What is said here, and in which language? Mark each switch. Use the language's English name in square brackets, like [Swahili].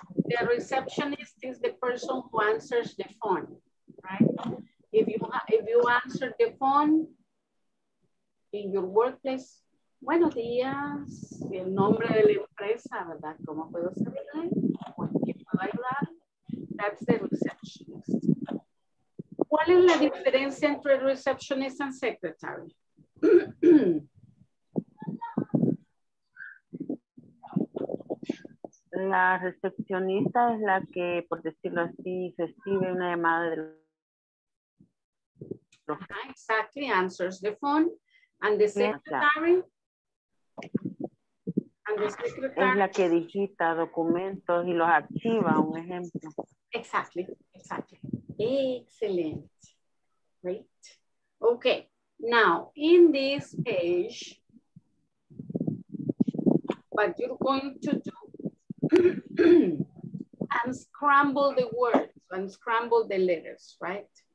[English] The receptionist is the person who answers the phone, right? If you answer the phone in your workplace. [Spanish] Buenos días, el nombre de la empresa, ¿verdad? ¿Cómo puedo servirle? ¿Qué puedo ayudar? [English] That's the receptionist. [Spanish] ¿Cuál es la diferencia entre [English] receptionist and secretary? [Spanish] La recepcionista es la que, por decirlo así, recibe una llamada del. [English] Exactly, answers the phone. And the secretary. [Spanish] Es la que digita documentos y los archiva, un ejemplo. [English] Exactly, exactly. Excellent. Great. Okay, now in this page, what you're going to do, unscramble the words, unscramble the letters, right?